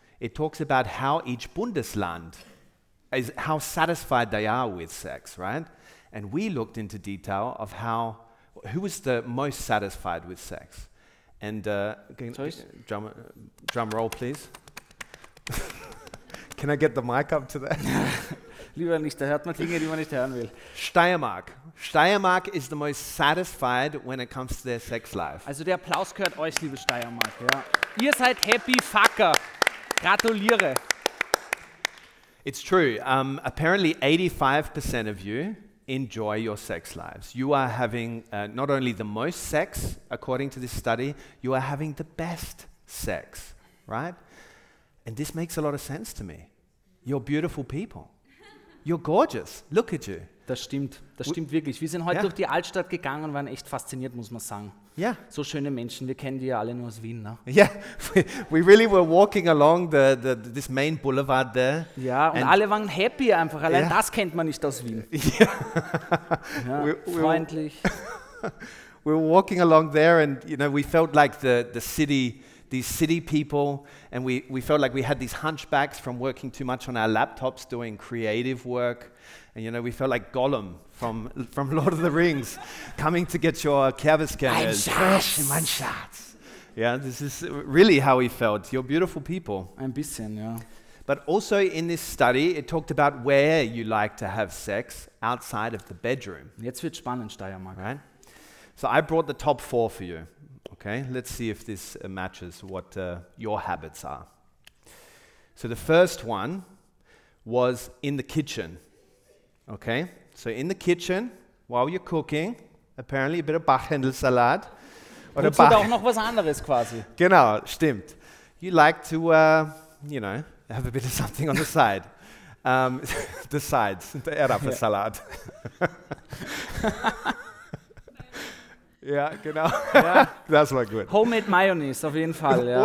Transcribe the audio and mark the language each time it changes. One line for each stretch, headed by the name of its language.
English: It talks about how each Bundesland is, how satisfied they are with sex, right? And we looked into detail of how, who was the most satisfied with sex? And drum roll, please. Can I get the mic up to that?
German: Lieber nicht, da hört man Dinge, die man nicht hören will. Steiermark.
English: Steiermark is the most satisfied when it comes to their sex life.
German: Also der Applaus gehört euch, liebe Steiermark. Ja. Ihr seid
English: happy fucker.
German: Gratuliere.
English: It's true. Apparently 85% of you enjoy your sex lives. You are having not only the most sex, according to this study, you are having the best sex, right? And this makes a lot of sense to me. You're beautiful people. You're gorgeous. Look at you.
German: Das stimmt. Das stimmt wirklich. Wir sind heute durch die Altstadt gegangen und waren echt fasziniert, muss man sagen.
English: Yeah.
German: So schöne Menschen. Wir kennen die ja alle nur aus Wien, ne?
English: Yeah. We really were walking along this main boulevard there.
German: Ja, und alle waren happy einfach. Allein das kennt man nicht aus Wien.
English: Yeah.
German: Ja, freundlich.
English: We were walking along there and, you know, we felt like the city, these city people, and we felt like we had these hunchbacks from working too much on our laptops doing creative work, and you know, we felt like Gollum from Lord of the Rings coming to get your
German: Kerberskernels. Mein Schatz.
English: Yeah, this is really how we felt. You're beautiful people.
German: Ein bisschen, ja.
English: But also in this study, it talked about where you like to have sex outside of the bedroom.
German: Jetzt wird's spannend, Steiermark.
English: Right? So I brought the top four for you. Okay, let's see if this matches what your habits are. So the first one was in the kitchen. Okay, so in the kitchen, while you're cooking, apparently a bit of Bachhändel salad,
German: Oder putzt oder auch noch was anderes quasi. Genau, stimmt.
English: You like to, you know, have a bit of something on the side. the sides,
German: der Erdapfelsalat. Ja, genau. Das war gut.
English: Homemade Mayonnaise,
German: auf jeden Fall. Ja.